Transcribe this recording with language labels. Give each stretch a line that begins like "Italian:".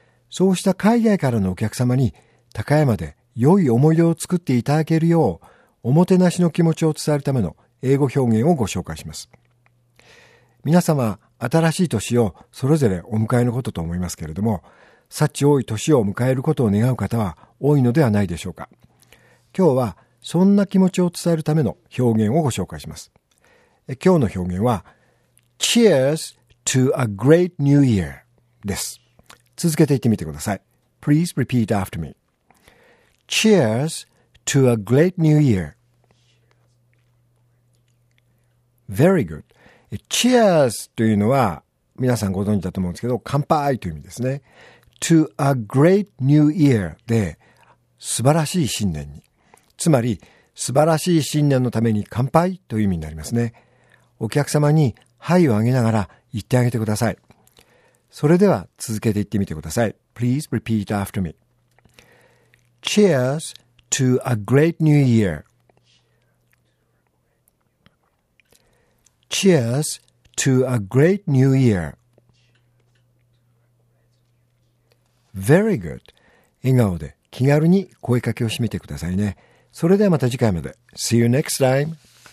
Japanese: そうした海外からのお客様に、高山で良い思い出を作っていただけるよう、おもてなしの気持ちを伝えるための英語表現をご紹介します。皆様、新しい年をそれぞれお迎えのことと思いますけれども、幸多い年を迎えることを願う方は多いのではないでしょうか。今日はそんな気持ちを伝えるための表現をご紹介します。今日の表現は
English: Cheers to a great new year
Japanese: です。続けて言ってみてください。
English: Please repeat after me. Cheers to a great new year. Very good.
Japanese: Cheers というのは皆さんご存知だと思うんですけど、乾杯という意味ですね。
English: To a great new year
Japanese: で、素晴らしい新年に。つまり、素晴らしい新年のために乾杯という意味になりますね。お客様に杯をあげながら言ってあげてください。それでは続けて言ってみてください。
English: Please repeat after me. Cheers to a great new year. Cheers to a great new year. Very good.
Japanese: 笑顔で気軽に声かけをしてみてくださいね。それではまた次回まで。
English: See you next time.